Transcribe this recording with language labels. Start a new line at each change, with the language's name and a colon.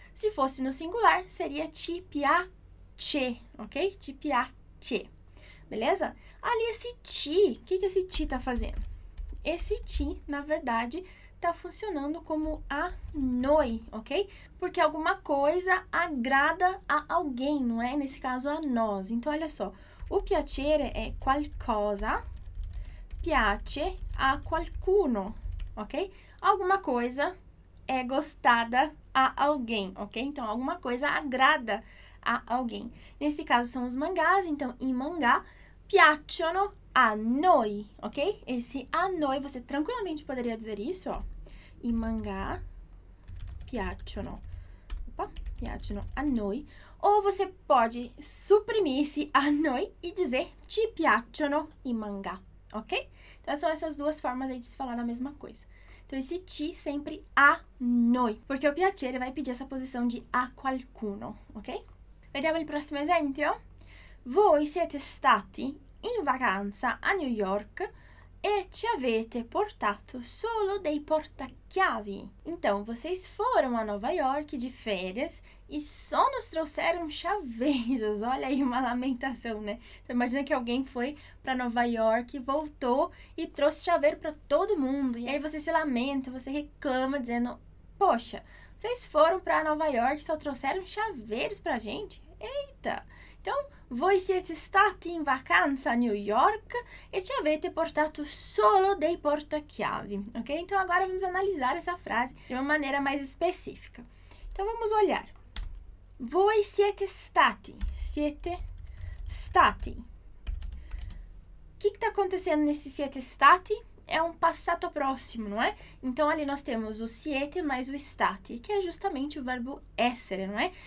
Portuguese: Se fosse no singular, seria
Italian: ti piace,
Portuguese: ok?
Italian: Ti piace,
Portuguese: beleza? Ali, esse ti, o que, que esse ti está fazendo? Esse ti, na verdade, está funcionando como a noi, ok? Porque alguma coisa agrada a alguém, não é? Nesse caso, a nós. Então, olha só.
Italian: O piacere è qualcosa, piace a qualcuno, ok?
Portuguese: Alguma coisa è gostada a alguém, ok? Então, alguma coisa agrada a alguém. Nesse caso, são os mangás, então,
Italian: i mangá piacciono a noi,
Portuguese: ok? Esse a noi, você tranquilamente poderia dizer isso, ó.
Italian: I mangá piacciono.
Portuguese: Opa,
Italian: piacciono a noi.
Portuguese: Ou você pode suprimir esse a noi e dizer
Italian: ti piacciono i mangá,
Portuguese: ok? Então, são essas duas formas aí de se falar a mesma coisa. Então, esse ti sempre a noi, porque o piacere vai pedir essa posição de a qualcuno, ok?
Italian: Vediamo il prossimo esempio. Voi siete stati in vacanza a New York e ci avete portato solo dei portachiavi.
Portuguese: Então, vocês foram a Nova York de férias e só nos trouxeram chaveiros. Olha aí uma lamentação, né? Então, imagina que alguém foi para Nova York, voltou e trouxe chaveiro para todo mundo. E aí você se lamenta, você reclama, dizendo: poxa, vocês foram para Nova York e só trouxeram chaveiros para a gente? Eita!
Italian: Então, voi siete stati in vacanza a New York e ci avete portato solo dei portachiavi, ok?
Portuguese: Então, agora vamos analisar essa frase de uma maneira mais específica. Então, vamos olhar.
Italian: Voi siete stati.
Portuguese: O que está acontecendo nesse siete stati? É um passato próximo, não é? Então, ali nós temos o siete mais o stati, que é justamente o verbo essere, não é?